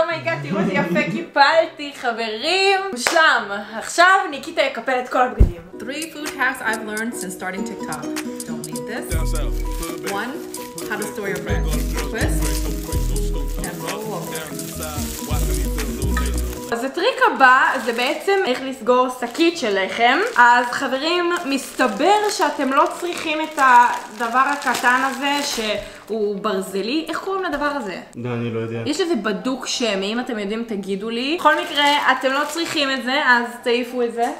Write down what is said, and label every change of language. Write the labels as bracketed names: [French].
[Hebrew] אומייגאד, תראו איזה יפה קיפלתי, חברים! מושלם! עכשיו ניקיטה יקפל את כל הבגדים. [English] 3 food hacks I've learned since starting TikTok. Don't need this. this. One, how to store your purse. [Hebrew] אז הטריק הבא זה בעצם איך לסגור שקית של לחם. אז חברים, מסתבר שאתם לא צריכים את הדבר הקטן הזה ש... הוא ברזלי, איך קוראים לדבר הזה? לא, אני לא יודע. יש איזה בדוק שם, אם אתם יודעים תגידו לי. בכל מקרה, אתם לא צריכים את זה, אז תעיפו את זה.